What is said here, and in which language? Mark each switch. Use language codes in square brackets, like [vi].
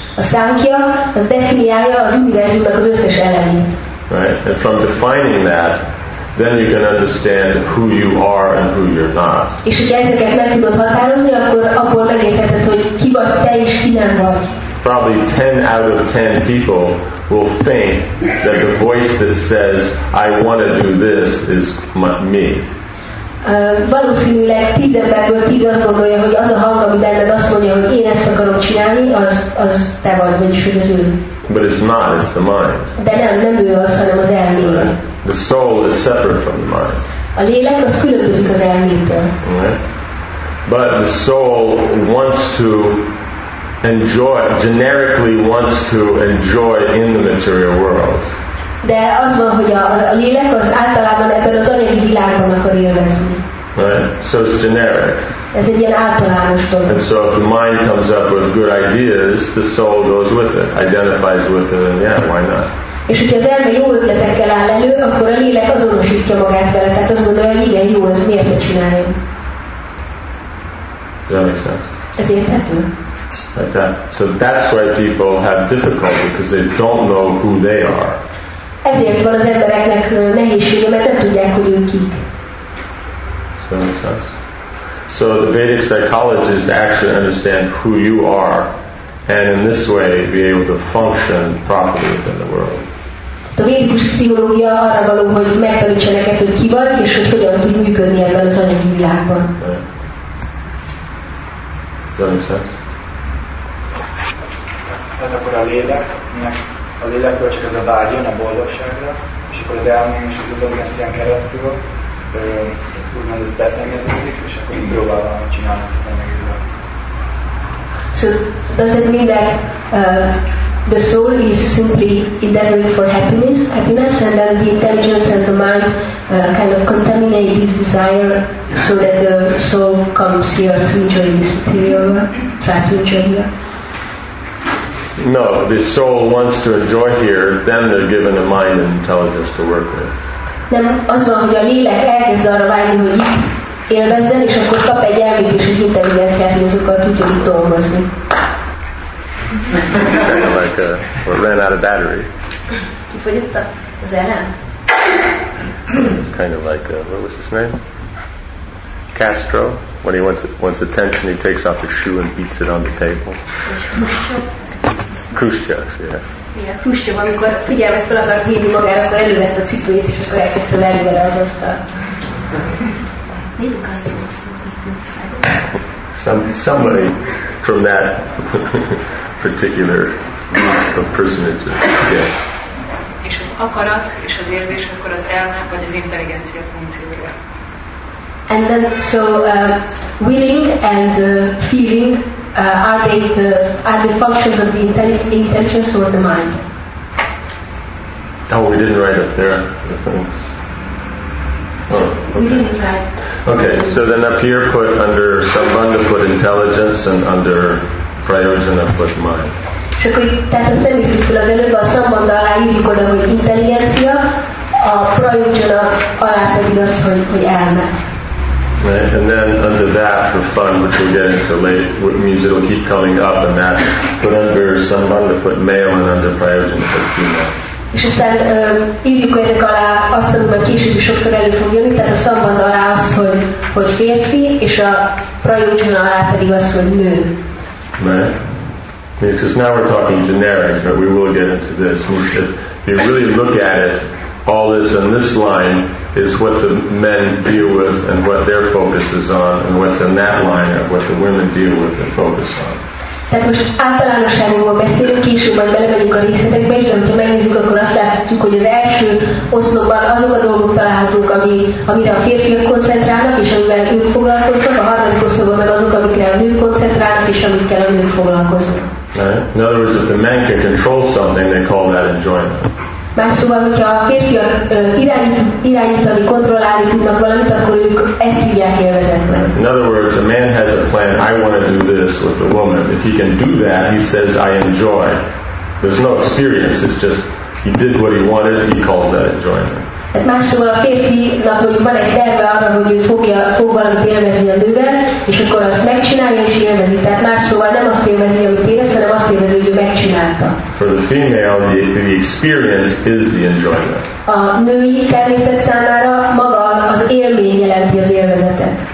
[hu] A Sankhya az definiálja az univerzumnak az összes elemét. [en] Right? And from defining that, then you can understand who you are and who you're not. [hu] És hogyha ezeket meg tudod határozni, akkor abból megértheted, hogy ki vagy te és ki nem vagy. [en] Probably 10 out of 10 people will think that the voice that says, I want to do this is me. [hu] Valószínűleg 10 emberből 10 azt gondolja, hogy az a hang, ami benned azt mondja, hogy én ezt akarom csinálni, az te vagy, vagyis hogy az ő. [en] But it's not, it's the mind. [hu] De nem ő az, hanem az elmé. [en] The soul is separate from the mind. [hu] A lélek az különbözik az elmétől. [en] But the soul wants to enjoy, generically wants to enjoy in the material world. [hu] De az van, hogy a lélek az általában ebben az anyagi világban akar élvezni. [en] Right? So it's generic. [hu] Ez egy ilyen általános dolog. [en] And so if the mind comes up with good ideas, the soul goes with it, identifies with it, and yeah, why not? [hu] És hogyha az elme jó ötletekkel áll elő, akkor a lélek azonosítja magát vele, tehát azt gondolja, hogy igen, jó, ez miért ne csináljam? [en] That makes sense. [hu] Ez érthető? [en] Like that. So that's why people have difficulty, because they don't know who they are. [hu] Ezért van az embereknek nehézsége, mert nem tudják, hogy ők kik. [en] So the Vedic psychology is to actually understand who you are and in this way be able to function properly within the world. [hu] A védikus pszichológia arra való, hogy megtanítsa neked, hogy ki vagy, és hogy hogyan tud működni ebben az anyagi világban. Tehát akkor a lélek, a lélektől csak ez a vágy jön a boldogságra, és akkor az elmény és az intelligencián keresztül úgymond ezt beszemélyezik, és akkor így próbálom csinálni az anyagiből. [en] So, does it mean that the soul is simply endeavoring for happiness, and then the intelligence and the mind kind of contaminate this desire so that the soul comes here to enjoy this material, try to enjoy here? No, the soul wants to enjoy here, then they're given a mind and intelligence to work with. [hu] Nem, az van, hogy a lélek elkezd arra vágni, hogy itt élvezzen, és akkor kap egy elmét és egy intelligenciát, hogy azokkal tudjon itt dolgozni. [en] Kind of like a ran out of battery. [hu] Kifogyott az elem. [en] It's kind of like what was his name? Castro. When he wants attention, he takes off his shoe and beats it on the table. Khrushchev. Khrushchev, yeah. Yeah, Khrushchev. [hu] Amikor figyelmet fel akar hívni magára, akkor elővette a cipőjét és akkor elkezdte lerúgni az asztalt. Néhány Castro szó, ez pont. [en] Somebody from that. Particular of personages. Yeah. [hu] És az akarat és az érzés akkor az elme vagy az intelligencia funkciója. [en] And then so willing and feeling are the functions of the intelligence or the mind? Oh, we didn't write up there the things. Okay, so then up here put under sambandha put intelligence and under prayojana put mind. [hu] És akkor tehát a szemlítőkül az előbb a szambandha alá írjuk oda, hogy intelligencia, a prayojana alá pedig az, hogy elme. [en] Right. And then under that for fun, which we'll get into later, which means it'll keep coming up and that, put under sambandha put male and under prayojana put female. [hu] És aztán írjuk ezek alá azt, amit majd később is sokszor elő fog jönni, tehát a szambandha alá az, hogy férfi, és a prayojana alá pedig az, hogy nő. [en] Right? Because now we're talking generic, but we will get into this. If you really look at it, all this in this line is what the men deal with and what their focus is on, and what's in that line are what the women deal with and focus on. [hu] Tehát most általánosságokban beszélünk, később majd belemegyünk a részletekbe, így amit megnézzük, akkor azt láthatjuk, hogy az első oszlopban azok a dolgok találhatók, amire a férfiak koncentrálnak, és amivel ők foglalkoznak, a harmadik oszlopban meg azok, amikre a nők koncentrálnak, és amikkel a nők foglalkoznak. [en] In other words, if the man can control something, they call that enjoyment. [hu] Más szóval, hogyha a férfiak irányítani, kontrollálni tudnak valamit, akkor ők ezt hívják élvezetnek. [en] In other words, a man has a plan, I want to do this with a woman. If he can do that, he says, I enjoy. There's no experience, it's just, he did what he wanted, he calls that enjoyment. [hu] Más szóval a férfinak van egy terve arra, hogy ő fog valamit élvezni a nővel, és akkor azt megcsinálja és élvezi. Tehát más szóval nem azt élvezi, amit érez, hanem azt élvezi, hogy ő megcsinálta. [en] For the female, the experience is the enjoyment. [hu] A női természet számára maga az élmény jelenti az élvezetet.